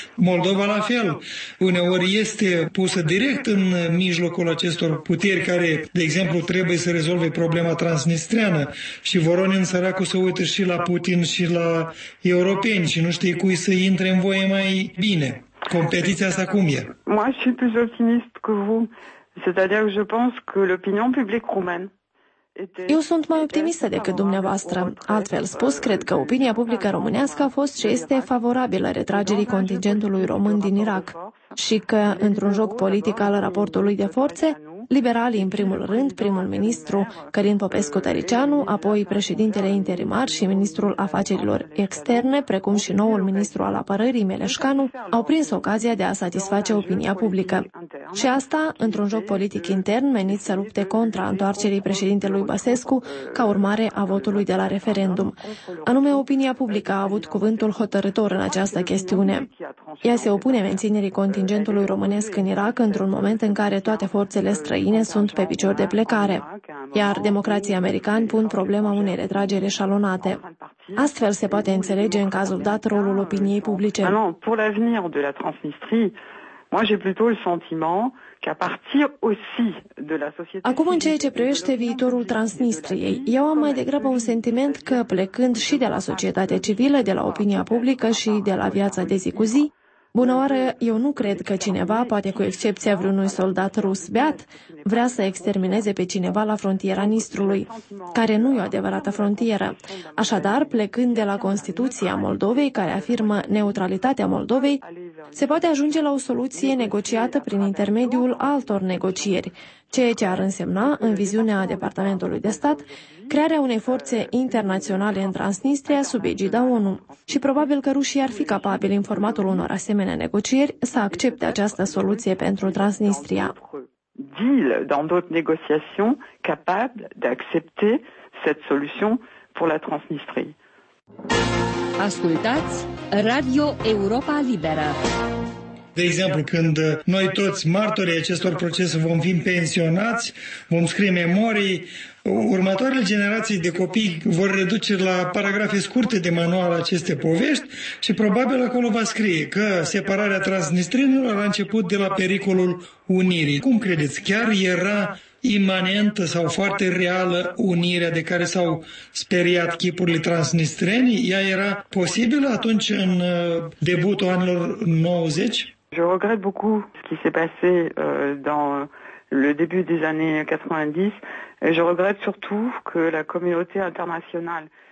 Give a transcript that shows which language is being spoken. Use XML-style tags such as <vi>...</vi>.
<ro>Moldova la fel, uneori este pusă direct în mijlocul acestor puteri care, de exemplu, trebuie să rezolve problema transnistreană și Voronin săracul să uită și la Putin și la europeni și nu știe cui să intre în voie mai bine. Competiția asta cum e?</ro> <fr>Moi, je suis plus optimiste que vous. C'est-à-dire que je pense que l'opinion publique roumaine.</fr> <ro>Eu sunt mai optimistă decât dumneavoastră. Altfel spus, cred că opinia publică românească a fost și este favorabilă retragerii contingentului român din Irak și că, într-un joc politic al raportului de forțe, liberalii, în primul rând, primul ministru Călin Popescu-Tăriceanu, apoi președintele interimar și ministrul afacerilor externe, precum și noul ministru al apărării Meleșcanu, au prins ocazia de a satisface opinia publică. Și asta, într-un joc politic intern, menit să lupte contra întoarcerii președintelui Băsescu, ca urmare a votului de la referendum. Anume, opinia publică a avut cuvântul hotărător în această chestiune. Ea se opune menținerii contingentului românesc în Irak într-un moment în care toate forțele străine sunt pe picior de plecare, iar democrații americani pun problema unei retrageri eșalonate. Astfel se poate înțelege în cazul dat rolul opiniei publice.</ro> <fr>Pour l'avenir de la Transnistrie, moi j'ai plutôt le sentiment qu'à partir aussi de la société.</fr> <ro>Acum, în ceea ce privește viitorul Transnistriei, eu am mai degrabă un sentiment că, plecând și de la societatea civilă, de la opinia publică și de la viața de zi cu zi, bună oară, eu nu cred că cineva, poate cu excepția vreunui soldat rus beat, vrea să extermineze pe cineva la frontiera Nistrului, care nu e o adevărată frontieră. Așadar, plecând de la Constituția Moldovei, care afirmă neutralitatea Moldovei, se poate ajunge la o soluție negociată prin intermediul altor negocieri, ceea ce ar însemna, în viziunea Departamentului de Stat, crearea unei forțe internaționale în Transnistria sub egida ONU. Și probabil că rușii ar fi capabili, în formatul unor asemenea negocieri, să accepte această soluție pentru Transnistria.</ro> <fr>Deal dans d'autres négociations capable d'accepter cette solution pour la Transnistrie.</fr> <ro>Ascultați Radio Europa Liberă. De exemplu, când noi toți martorii acestor procese vom fi pensionați, vom scrie memorii, următoarele generații de copii vor reduce la paragrafe scurte de manual aceste povești și probabil acolo va scrie că separarea transnistrinilor a început de la pericolul unirii. Cum credeți? Chiar era imanentă sau foarte reală unirea de care s-au speriat chipurile transnistreni? Ea era posibilă atunci în debutul anilor 90?</ro> <fr>Je regrette beaucoup ce qui s'est passé dans le début des années 90 et je regrette surtout que la communauté internationale.</fr>